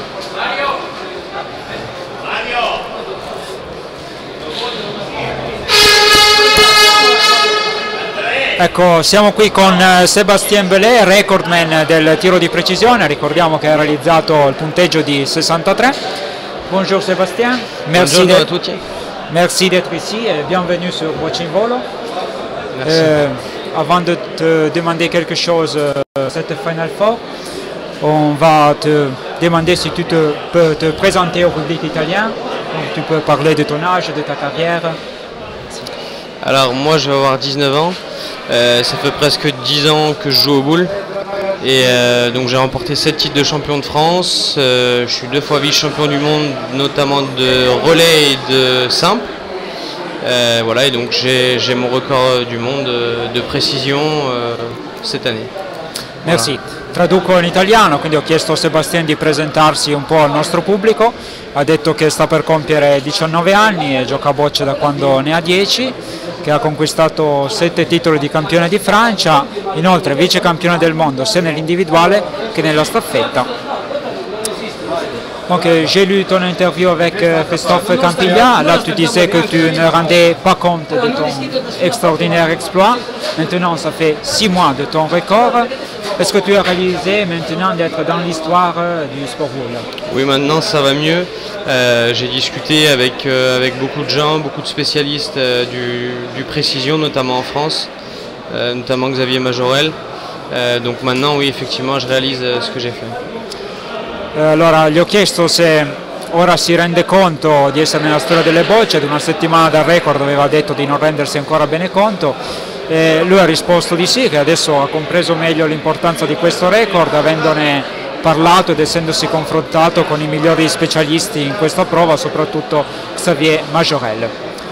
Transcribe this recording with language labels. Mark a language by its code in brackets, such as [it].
[it] Mario, ecco, siamo qui con Sébastien Bellet, recordman del tiro di precisione. Ricordiamo che ha realizzato il punteggio di 63. [fr] Bonjour Sébastien. Merci. Bonjour à tutti. Merci d'être ici et bienvenue sur Voici in Volo. Merci. Avant de te demander quelque chose cette Final Four, on va te demander si tu peux te présenter au public italien. Donc, tu peux parler de ton âge, de ta carrière. Alors moi je vais avoir 19 ans. Ça fait presque 10 ans que je joue au boule. Et donc j'ai remporté 7 titres de champion de France, je suis deux fois vice-champion du monde, notamment de relais et de simple. Voilà, et donc j'ai mon record du monde de précision cette année. Voilà. Merci. [it] Traduco in italiano, quindi ho chiesto a Sébastien di presentarsi un po' al nostro pubblico. Ha detto che sta per compiere 19 anni e gioca a bocce da quando ne ha 10, che ha conquistato 7 titoli di campione di Francia, inoltre vice campione del mondo sia nell'individuale che nella staffetta. [fr] Donc j'ai lu ton interview avec Christophe Campiglia, là tu disais que tu ne rendais pas compte de ton extraordinaire exploit. Maintenant ça fait 6 mois de ton record. Est-ce que tu as réalisé maintenant d'être dans l'histoire du sport voile? Oui, maintenant ça va mieux. J'ai discuté avec, avec beaucoup de gens, beaucoup de spécialistes du précision, notamment en France, notamment Xavier Majorelle. Donc maintenant, oui, effectivement, je réalise ce que j'ai fait. [it] Allora, gli ho chiesto se ora si rende conto di essere nella storia delle bocce. Ad una settimana dal record aveva detto di non rendersi ancora bene conto. Lui ha risposto di sì, che adesso ha compreso meglio l'importanza di questo record, avendone parlato ed essendosi confrontato con i migliori specialisti in questa prova, soprattutto Xavier Majorelle.